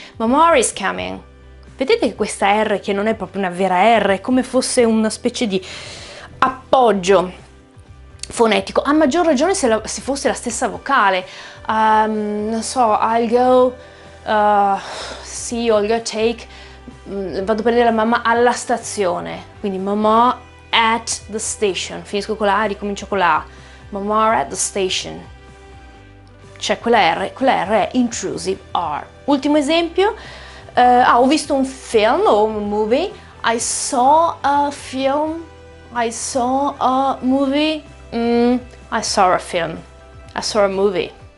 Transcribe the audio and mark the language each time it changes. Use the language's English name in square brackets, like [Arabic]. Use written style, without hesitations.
[English] Mamma is coming. [Italian] Vedete che questa R, che non è proprio una vera R, è come fosse una specie di appoggio fonetico. A maggior ragione se fosse la stessa vocale. Non so, [English] I'll go, see, I'll go take, [Italian] vado a prendere la mamma alla stazione. Quindi [English] mamma at the station. [Italian] Finisco con la A, ricomincio con la A. [English] Mamma at the station. [Italian] Cioè quella R è intrusive R. Ultimo esempio. Ho visto un film o un movie. [English] I saw a film. I saw a movie. I saw a film. I saw a movie.